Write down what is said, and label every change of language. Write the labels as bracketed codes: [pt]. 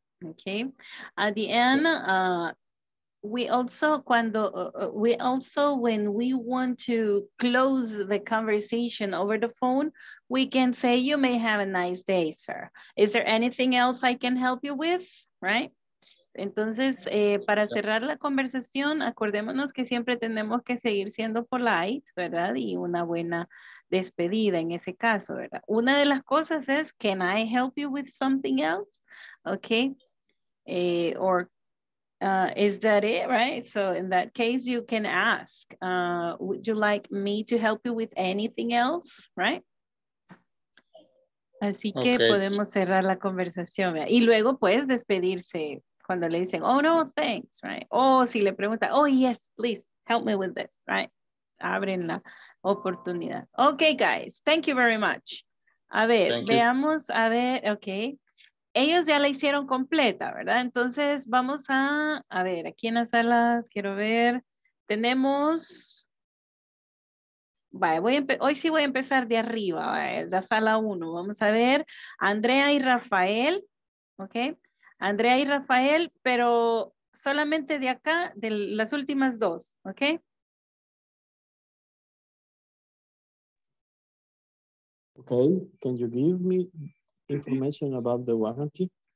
[en] Okay, at the end, when we want to close the conversation over the phone, we can say, you may have a nice day, sir. Is there anything else I can help you with, right? [es] Entonces, para cerrar la conversación, acordémonos que siempre tenemos que seguir siendo polite, ¿verdad? Y una buena despedida en ese caso, ¿verdad? Una de las cosas es, [en] can I help you with something else? Okay. Is that it, right? So in that case, you can ask, would you like me to help you with anything else, right? [es] Así que okay, podemos cerrar la conversación, ¿verdad? Y luego puedes despedirse cuando le dicen, [en] oh no, thanks, right? [es] O si le pregunta, [en] oh yes, please, help me with this, right? [es] Abren la oportunidad. [en] Okay, guys, thank you very much. [es] A ver, [en] thank [es] veamos, [en] you. [es] A ver, okay. Ellos ya la hicieron completa, ¿verdad? Entonces vamos a ver, aquí en las salas, quiero ver, tenemos... Vale, hoy sí voy a empezar de arriba, ¿vale? La sala 1. Vamos a ver Andrea y Rafael, ¿ok? Andrea y Rafael, pero solamente de acá, de las últimas dos, ¿ok? [en] Ok, can you give me information about the warranty?